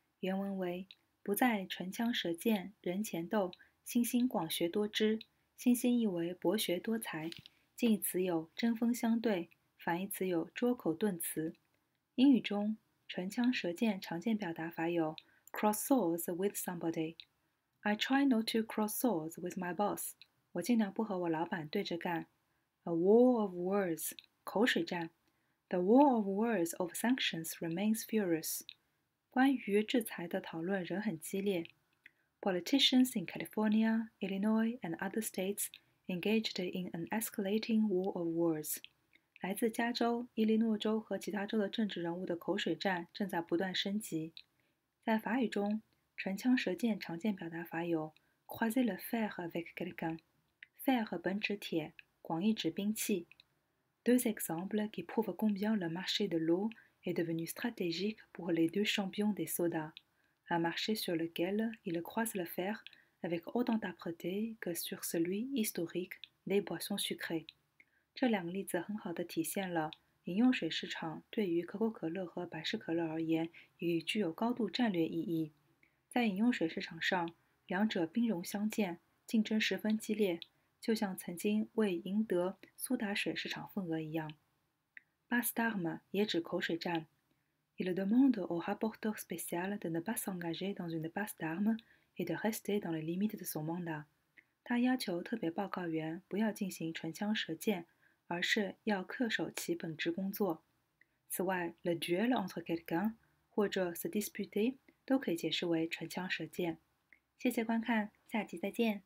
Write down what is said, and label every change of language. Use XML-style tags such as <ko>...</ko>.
<zh>原文为：不在唇枪舌剑，人前斗，星星广学多知。星星意为博学多才，近义词有针锋相对，反义词有拙口钝词。英语中，唇枪舌剑常见表达法有</zh> <en>cross swords with somebody。 I try not to cross swords with my boss.</en> <zh>我尽量不和我老板对着干。</zh> <en>A war of words,</en> <zh>口水战。</zh> <en>The war of words of sanctions remains furious.</en> <zh>关于制裁的讨论仍很激烈。</zh> <en>Politicians in California, Illinois, and other states engaged in an escalating war of words.</en> <zh>来自加州、伊利诺州和其他州的政治人物的口水战正在不断升级。在法语中，唇枪舌剑常见表达法有</zh> <fr>croiser le fer avec quelqu'un。</fr> <zh>fer 本指铁，广义指兵器。</zh> <fr>Deux exemples qui prouvent combien le marché de l'eau est devenu stratégique pour les deux champions des sodas. Un marché sur lequel ils croisent le fer avec autant d'âpreté que sur celui historique des boissons sucrées.</fr> <zh>这两个例子很好地体现了饮用水市场对于可口可乐和百事可乐而言已具有高度战略意义。在饮用水市场上，两者兵戎相见，竞争十分激烈，就像曾经为赢得苏打水市场份额一样。 Bastarme 也指口水战。</zh> <fr>Il demande au rapporteur spécial de ne pas s'engager dans une bastarme et de rester dans les limites de son mandat。</fr> <zh>他要求特别报告员不要进行唇枪舌剑，而是要恪守其本职工作。此外，</zh> <fr>le duel entre quelqu'un</fr> <zh>或者</zh> <fr>se disputer。</fr> <zh>都可以解释为唇枪舌剑。谢谢观看，下集再见。</zh>